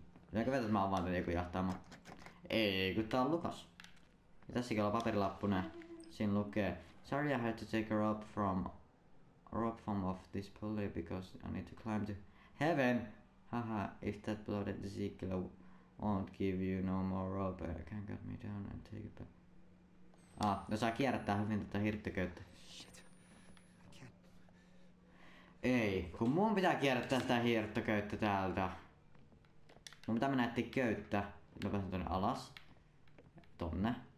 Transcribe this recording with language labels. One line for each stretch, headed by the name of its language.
Finnish: Pitääkö vetää, että mä avaan tän joku jahtaamaan? Ei, kun tää on Lukas. Ja tässäkin on paperilappu nää. Siin lukee.
English: Sorry I had to take a rope from... off this pulley because I need to climb to... heaven! Haha, if that bloody Ezekiel won't give you no more rope, I can cut me down and take it back.
Finnish: Ah, no saa kierrättää hyvin tätä hirttököyttä.
English: Shit. I can't...
Finnish: Ei, kun mun pitää kierrättää sitä hirttököyttä täältä. Mun pitää mennä etsiä köyttä. Mä pääsen tonne alas. Tonne.